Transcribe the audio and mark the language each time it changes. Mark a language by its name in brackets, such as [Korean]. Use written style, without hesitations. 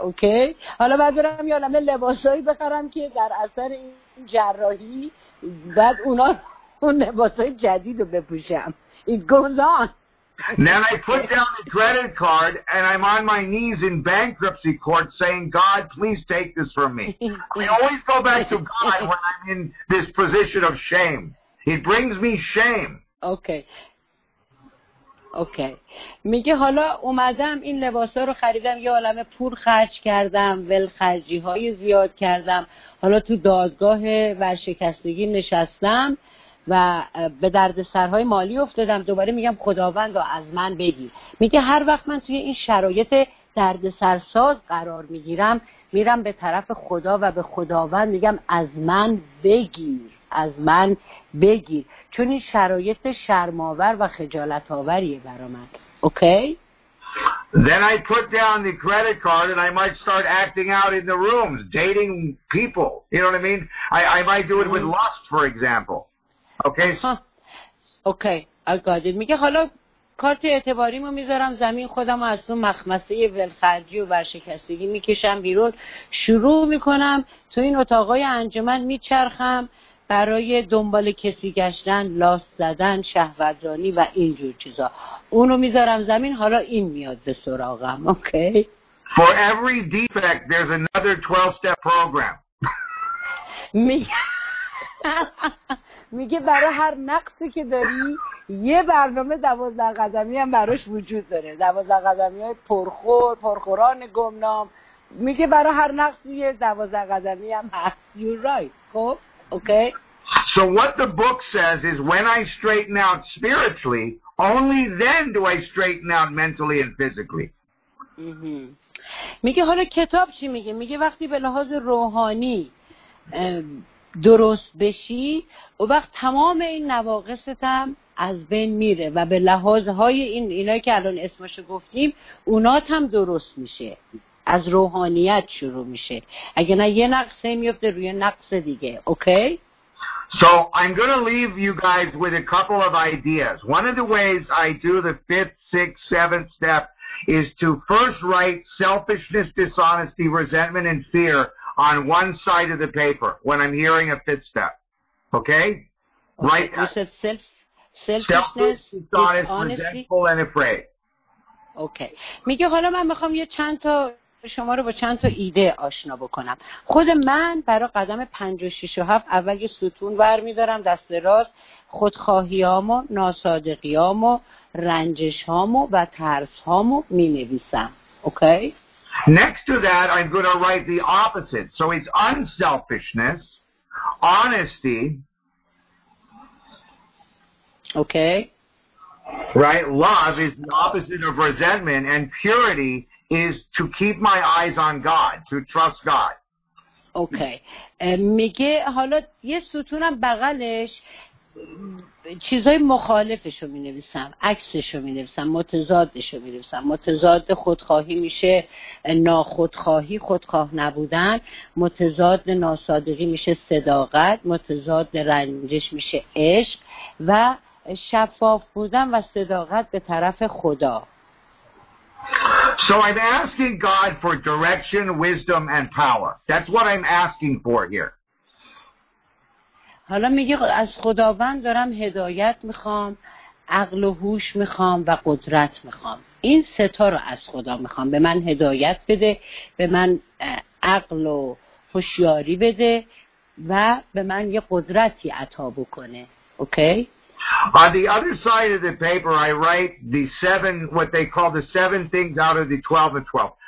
[Persian] اوکی؟ حالا بعد برم یه عالمه لباسایی بخرم که در اثر این جراحی بعد اونا اون لباسای جدید رو بپوشم. [English] It goes on. Then I put down the credit card and I'm on my knees in bankruptcy court saying, God, please take this from me. We always go back to God when I'm in this position of shame. He brings me shame. Okay. [Persian] میگه حالا اومدم این لباسا رو خریدم، یه عالمه پول خرج کردم، ولخرجی های زیاد کردم، حالا تو دادگاه ورشکستگی نشستم و به درد سرهای مالی افتادم، دوباره میگم خداوند رو از من بگی. میگه هر وقت من توی این شرایط درد سرساز قرار میگیرم، میرم به طرف خدا و به خداوند میگم از من بگیر، از من بگیر، چون این شرایط شرماور و خجالت آوریه برا من. [English] Okay? Then I put down the credit card and I might start acting out in the rooms, dating people. You know what I mean? I might do it with lust, for example. Okay. Okay, I got it. [Persian] میگه حالا کارت اعتباریمو میذارم زمین، خودمو از اون مخمصه ولخرجی و ورشکستگی میکشم بیرون، شروع میکنم تو این اتاقای انجمن میچرخم برای دنبال کسی گشتن، لاست زدن، شهوترانی و اینجور چیزا. اونو میذارم زمین، حالا این میاد به سراغم. [English] Okay? For every defect there's another 12 step program. [Persian] میگه برای هر نقصی که داری یه برنامه 12 قدمی هم براش وجود داره، 12 قدمی های پرخور، پرخوران گمنام. میگه برای هر نقصی یه 12 قدمی هم هست. [English] You're right. [Persian] خب؟ [English] Okay. So what the book says is when I straighten out spiritually, only then do I straighten out mentally and physically. [Persian] میگه حالا کتاب چی میگه؟ میگه وقتی به لحاظ روحانی درست بشی و وقت تمام این نواقصت هم از بین میره و به لحاظ های این اینایی که الان اسمشو گفتیم اونات هم درست میشه، از روحانیت شروع میشه. اگه نه یه نقصه میفته روی نقص دیگه. [English] Okay? So I'm going to leave you guys with a couple of ideas. One of the ways I do the fifth, sixth, seventh step is to first write selfishness, dishonesty, resentment, and fear on one side of the paper when I'm hearing a fifth step. Okay? Right. You said selfishness, dishonesty, resentful, and afraid. Okay. [Persian] میگه حالا من میخوام یه چند تا شما رو با چند تا ایده آشنا بکنم. خود من برای قدم 5 و 6 و 7 اول یه ستون برمی‌دارم، دست راست خودخواهیامو، ناصادقیامو، رنجش‌هامو و ترس‌هامو می‌نویسم. [English] Okay? Next to that I'm going to write the opposite. So it's unselfishness, honesty. Okay? Right, love is the opposite of resentment and purity is to keep my eyes on God, to trust God. Okay. [Persian] میگه حالا یه ستونم بغلش چیزای مخالفشو می‌نویسم، عکسشو می‌نویسم، متضادشو می‌نویسم. متضاد خودخواهی میشه ناخودخواهی، خودخواه نبودن، متضاد ناصادقی میشه صداقت، متضاد رنجش میشه عشق و شفاف بودن و صداقت به طرف خدا. [English] So I'm asking God for direction, wisdom, and power. That's what I'm asking for here. [Persian] حالا میگه از خداوند دارم هدایت میخوام، عقل و هوش میخوام و قدرت میخوام. این سه تا رو از خدا میخوام. به من هدایت بده، به من عقل و هوشیاری بده و به من یه قدرتی عطا بکنه. [English] Okay? On the other side of the paper, I write the seven, what they call the seven things out of the 12 and 12.